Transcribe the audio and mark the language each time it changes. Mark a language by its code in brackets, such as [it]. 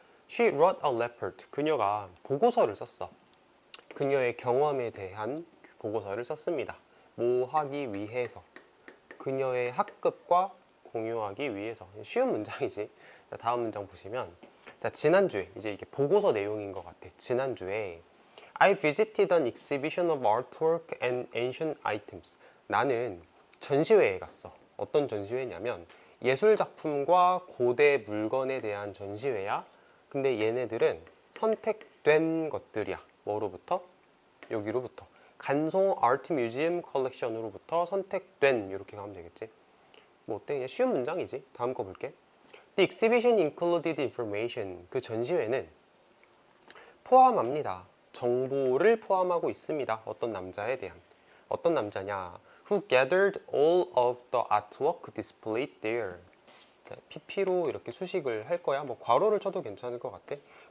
[en] She wrote a report. [ko] 그녀가 보고서를 썼어. 그녀의 경험에 대한 보고서를 썼습니다. 뭐 하기 위해서. 그녀의 학급과 공유하기 위해서. 쉬운 문장이지. 자, 다음 문장 보시면. 자, 지난주에. 이제 이게 보고서 내용인 것 같아. 지난주에. [en] I visited an exhibition of artwork and ancient items. [ko] 나는 전시회에 갔어. 어떤 전시회냐면, 예술 작품과 고대 물건에 대한 전시회야. 근데 얘네들은 선택된 것들이야. 뭐로부터? 여기로부터. 간송 아트 뮤지엄 컬렉션으로부터 선택된. 이렇게 가면 되겠지. 뭐 어때? 그냥 쉬운 문장이지. 다음 거 볼게. [en] The exhibition included information. [ko] 그 전시회는 포함합니다. 정보를 포함하고 있습니다. 어떤 남자에 대한. 어떤 남자냐? [en] Who gathered all of the artwork displayed there? [ko] PP로 이렇게 수식을 할 거야. 뭐 괄호를 쳐도 괜찮을 것 같아.